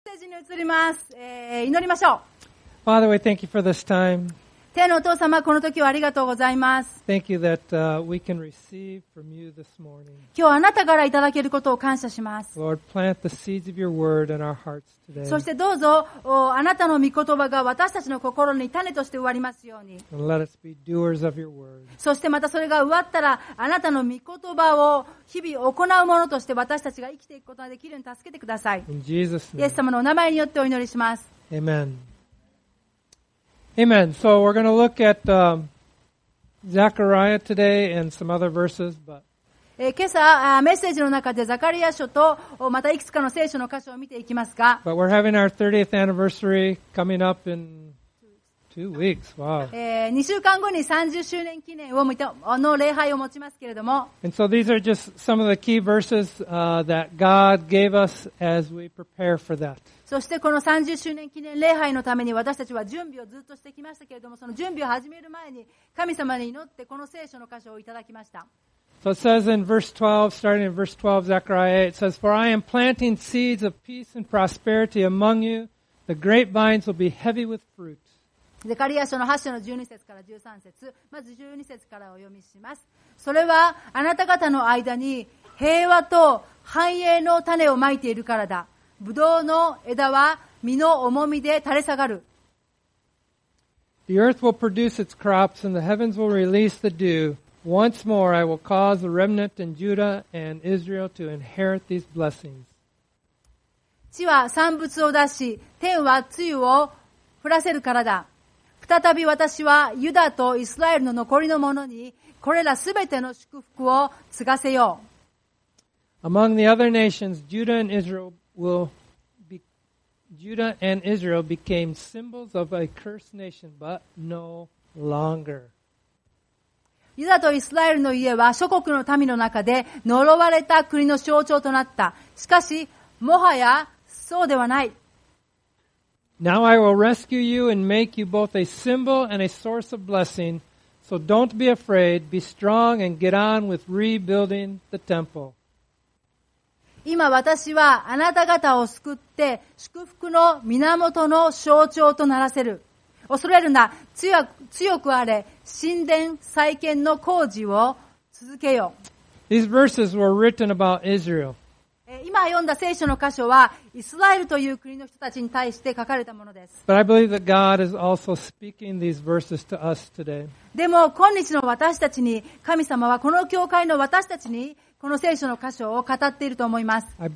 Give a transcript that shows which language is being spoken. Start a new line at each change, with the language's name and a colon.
Japanese: 移ります、祈りましょう。
English: Father, we thank you for this time.
Japanese: 天のお父様、この時はありがとうございます。
English: Thank you that, we can receive from you this morning.
Japanese: 今日あなたからいただけることを感謝します。
English: Lord, plant the seeds of your word in our hearts today.
Japanese: そしてどうぞあなたの御言葉が私たちの心に種として植わりますように。
English: And let us be doers of your word.
Japanese: そしてまたそれが植わったらあなたの御言葉を日々行うものとして私たちが生きていくことができるように助けてください。
English: In Jesus' name.
Japanese: イエス様のお名前によってお祈りします。
English: AmenAmen. So we're going to look at Zechariah today and some other verses. But
Japanese: 今朝メッセージの中でザカリア書とまたいくつかの聖書の箇所を見ていきますか。
English: But we're having our 30th anniversary coming up in 2 weeks. Wow.
Japanese: 2週間後に30周年記念の礼拝を持ちますけれども。
English: And so these are just some of the key verses that God gave us as we prepare for that.
Japanese: そしてこの30周年記念礼拝のために私たちは準備をずっとしてきましたけれども、その準備を始める前に神様に祈ってこの聖書の箇所をいただきました。
English: So it says in verse 12, starting in verse 12, Zechariah 8, it says, For I am planting seeds of peace and prosperity among you. The grapevines will be heavy with fruit.
Japanese: ゼカリア書の8章の12節から13節、まず12節からお読みします。それはあなた方の間に平和と繁栄の種をまいているからだ。ブドウの枝は実の重みで垂れ下がる。
English: The earth will produce its crops and the heavens will release the dew. Once more I will cause the remnant in Judah and Israel to inherit these blessings.
Japanese: 地は産物を出し、天は露を降らせるからだ。再び私はユダとイスラエルの残りの者にこれらすべての祝福を継がせよう。
English: Among the other nations, Judah and IsraelJudah and Israel became symbols of a cursed nation, but no longer.
Japanese: ユダとイスラエルの家は諸国の民の中で呪われた国の象徴となった。しかし、もはやそうではない。
English: Now I will rescue you and make you both a symbol and a source of blessing. So don't be afraid, be strong and get on with rebuilding the temple.
Japanese: 今私はあなた方を救って祝福の源の象徴とならせる。恐れるな、強くあれ、神殿再建の工事を続けよう。
English: These verses were written about Israel.
Japanese: 今読んだ聖書の箇所はイスラエルという国の人たちに対して書かれたものです。
English: But I believe that God is also speaking these verses to us today.
Japanese: でも今日の私たちに、神様はこの教会の私たちにこの聖書の箇所を語っていると思います。